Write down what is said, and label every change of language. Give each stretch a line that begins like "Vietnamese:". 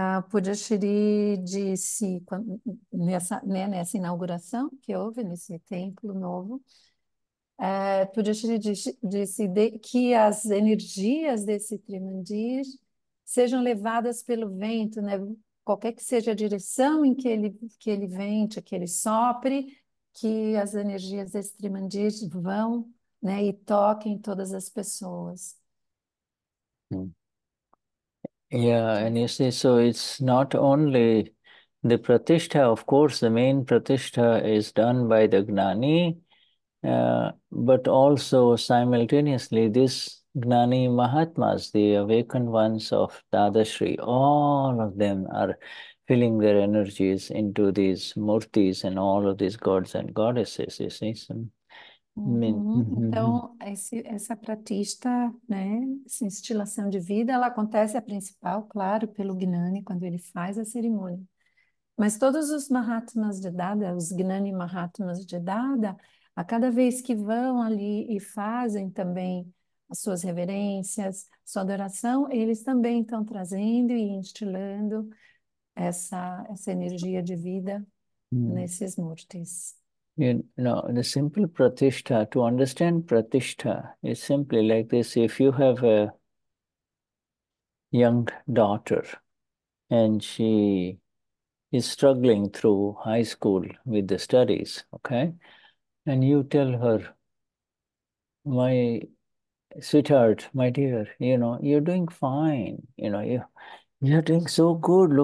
Portuguese: Purushiri disse, nessa inauguração que houve nesse templo novo, Purushiri disse que as energias desse Trimandir sejam levadas pelo vento, né? Qualquer que seja a direção em que ele vente, que ele sopre, que as energias desse Trimandir vão, né, e toquem todas as pessoas.
English: And you see, so it's not only the pratishtha, of course, the main pratishtha is done by the Gnani, but also simultaneously, this Gnani Mahatmas, the awakened ones of Dadashri, all of them are filling their energies into these murtis and all of these gods and goddesses, you see. So,
Portuguese: Então, essa pratista, né, essa instilação de vida, ela acontece a principal, claro, pelo Gnani, quando ele faz a cerimônia. Mas todos os Mahatmas de Dada, os Gnani Mahatmas de Dada, a cada vez que vão ali e fazem também as suas reverências, sua adoração, eles também estão trazendo e instilando essa energia de vida nesses murtis.
English: You know, the simple pratishtha, to understand pratishtha is simply like this. If you have a young daughter and she is struggling through high school with the studies, okay, and you tell her, my sweetheart, my dear, you know, you're doing fine, you know, you're doing so good.